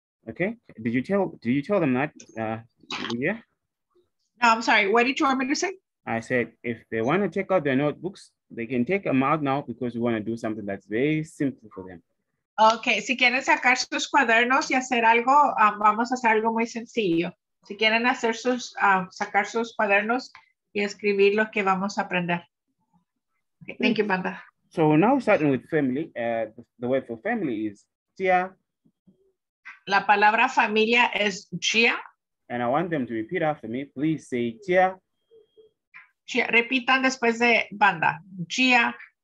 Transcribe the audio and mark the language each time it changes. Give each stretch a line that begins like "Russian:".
English: Okay, did you tell them that? Yeah? No, I'm sorry. What did you want me to say? I said, if they want to take out their notebooks, they can take them out now because we want to do something that's very simple for them.
Spanish: Okay, si quieren sacar sus cuadernos y hacer algo, vamos a hacer algo muy sencillo. Si quieren hacer sus, sacar sus cuadernos y escribir lo que vamos a aprender.
English: Okay, thank you, Banda. So now starting with family, the word for family is Tia.
Spanish: La palabra familia es Tia.
English: And I want them to repeat after me. Please say Tia.
Spanish: Tia. Repitan después de Banda. Tia.